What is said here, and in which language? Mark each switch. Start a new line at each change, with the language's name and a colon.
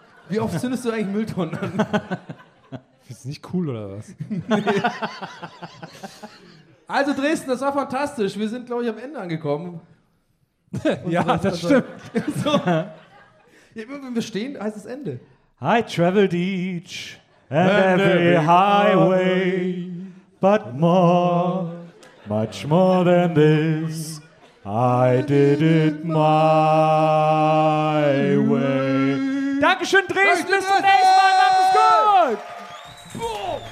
German: Wie oft zündest du eigentlich Mülltonnen an? Ist nicht cool, oder was? Nee. Also Dresden, das war fantastisch. Wir sind, glaube ich, am Ende angekommen. Ja, das stimmt. So. Ja, wenn wir stehen, heißt es Ende.
English: I traveled each and every highway, but more, much more than this, I did it my way.
German: Dankeschön, Dresden, bis zum nächsten Mal, macht es gut!